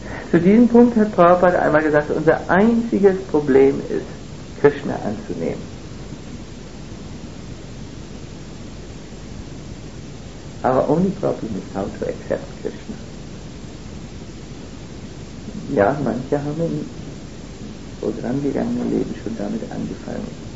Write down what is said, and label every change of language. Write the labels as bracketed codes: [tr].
[de] Zu diesem Punkt hat Prabhupada einmal gesagt, unser einziges Problem ist, Krishna anzunehmen. [en] Our only problem is how to accept Krishna. [de] Ja, manche haben im vorangegangenen Leben schon damit angefangen.